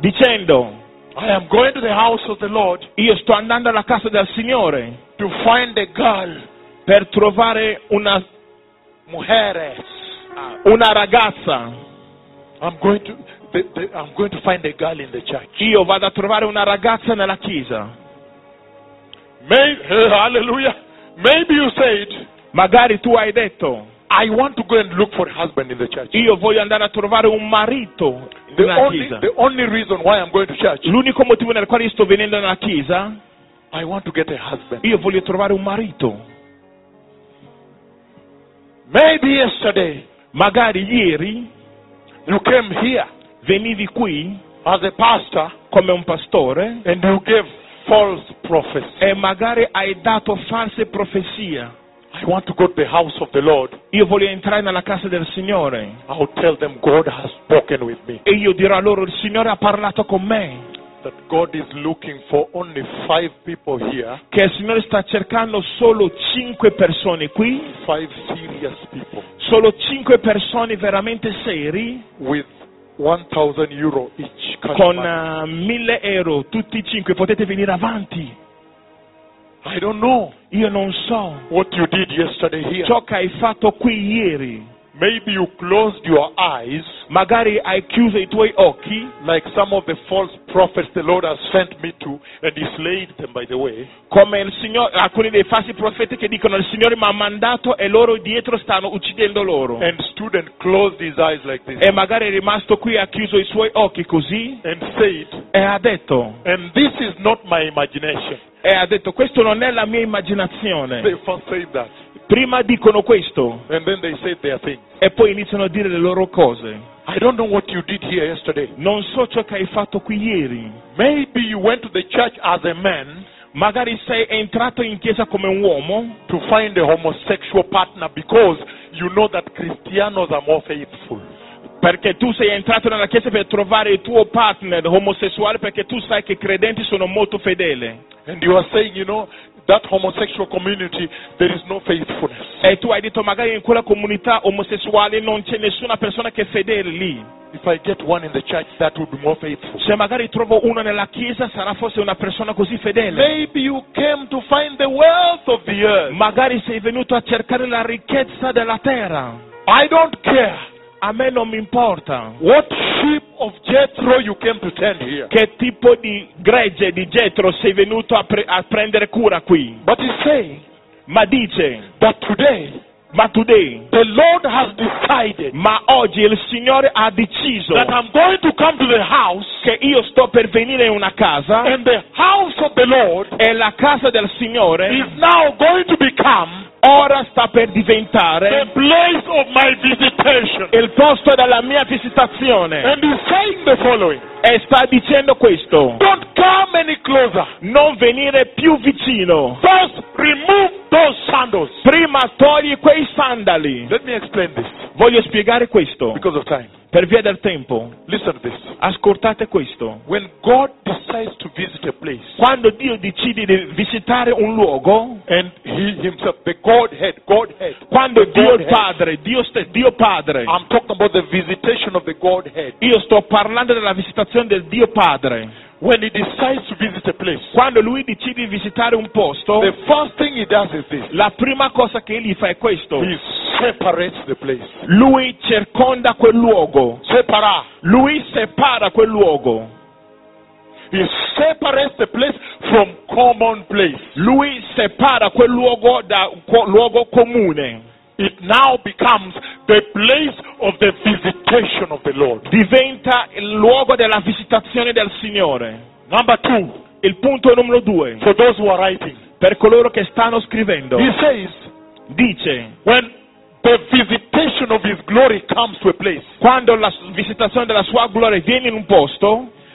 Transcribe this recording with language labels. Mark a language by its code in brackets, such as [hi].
[it] dicendo, [en] I am going to the house of the Lord. [it] Io sto andando alla casa del Signore. [en] To find a girl. [it] Per trovare una [es] mujeres. [it] Una ragazza. [en] I'm going to find a girl in the church. [it] Io vado a trovare una ragazza nella chiesa. [en] Hallelujah. Maybe you said, [it] magari tu hai detto, [en] I want to go and look for a husband in the church. [it] Io voglio andare a trovare un marito nella chiesa. [en] The only reason why I'm going to church. [it] L'unico motivo nel quale sto venendo nella chiesa. [en] I want to get a husband. [it] Io voglio trovare un marito. [en] Maybe yesterday. [it] Magari ieri. [en] You came here. [it] Venivi qui. [en] As a pastor. [it] Come un pastore. [en] And you gave false prophecy. [it] E magari hai dato false profezia. [en] I want to go to the house of the Lord. [it] Io voglio entrare nella casa del Signore. [en] I'll tell them God has spoken with me. [it] E io dirò loro il Signore ha parlato con me. [en] That God is looking for only 5 people here. [it] Che il Signore sta cercando solo 5 persone qui. [en] 5 serious people. [it] Solo 5 persone veramente seri. [en] With 1,000 euro each. [it] Con 1,000 euro tutti 5 potete venire avanti. [en] I don't know. [it] Io non so. [en] What you did yesterday here. [it] Ciò che hai fatto qui ieri. [en] Maybe you closed your eyes. [it] Magari hai chiuso i tuoi occhi. [en] Like some of the false prophets the Lord has sent me to and he slayed them by the way. [it] Come il Signore, alcuni dei falsi profeti che dicono il Signore mi ha mandato e loro dietro stanno uccidendo loro. [en] And stood and closed his eyes like this. [it] E magari è rimasto qui e ha chiuso i suoi occhi così. [en] And said. [it] E ha detto. [en] And this is not my imagination. [it] E ha detto questo non è la mia immaginazione. [en] They first say that. [it] Prima dicono questo. [en] And then they say their things. [it] E poi iniziano a dire le loro cose. [en] I don't know what you did here yesterday. [it] Non so ciò che hai fatto qui ieri. [en] Maybe you went to the church as a man. [it] magari sei entrato in chiesa come un uomo, [en] to find a homosexual partner because you know that Christians are more faithful. [it] Perché tu sei entrato nella chiesa per trovare il tuo partner omosessuale perché tu sai che i credenti sono molto fedeli. [en] And you are saying, you know, that homosexual community, there is no faithfulness. [it] E tu hai detto magari in quella comunità omosessuale non c'è nessuna persona che è fedele lì. [en] If I get one in the church, that would be more faithful. [it] Se magari trovo uno nella chiesa, sarà forse una persona così fedele. [en] Maybe you came to find the wealth of the earth. [it] Magari sei venuto a cercare la ricchezza della terra. [en] I don't care. [it] A me non mi importa. [en] What sheep of Jethro you came to tend here? [it] Che tipo di gregge di Jethro sei venuto a prendere cura qui? [en] But he say, [it] ma dice, [en] that today, [it] ma [en] today, the Lord has decided, [it] ma oggi il Signore ha deciso, [en] that I'm going to come to the house, [it] che io sto per venire in una casa, [en] and the house of the Lord, [it] e la casa del Signore, [en] is now going to become, [it] ora sta per diventare [en] the place of my visitation, [it] il posto della mia visitazione. [en] And he's saying the following. [it] E sta dicendo questo. [en] Don't come any closer. [it] Non venire più vicino. [en] First, remove those sandals. [it] Prima togli quei sandali. [en] Let me explain this. [it] Voglio spiegare questo. [en] Because of time. [it] Per via del tempo. [en] Listen to this. [it] Ascoltate questo. [en] When God decides to visit a place, [it] quando Dio decide di visitare un luogo, [en] and he himself, the Godhead, Godhead, [it] quando [en] the [it] Dio Godhead, Padre, Dio stesso, Dio Padre, [en] I'm talking about the visitation of the Godhead. [it] Io sto parlando della visitazione del Dio Padre. [en] When he decides to visit a place, [it] quando lui decide di visitare un posto, [en] the first thing he does is this. [it] La prima cosa che egli fa è questo. [en] He separates the place. [it] Lui circonda quel luogo. Separa. Lui separa quel luogo. [en] He separates the place from common place. [it] Lui separa quel luogo da luogo comune. [en] It now becomes the place of the visitation of the Lord. [it] Diventa il luogo della visitazione del Signore. [en] Number two. [it] Il punto numero due. [en] For those who are writing. [it] Per coloro che stanno scrivendo. [en] He says. [it] Dice. [en] When the visitation of his glory comes to a place. [it] Quando la visitazione della sua gloria viene in un posto.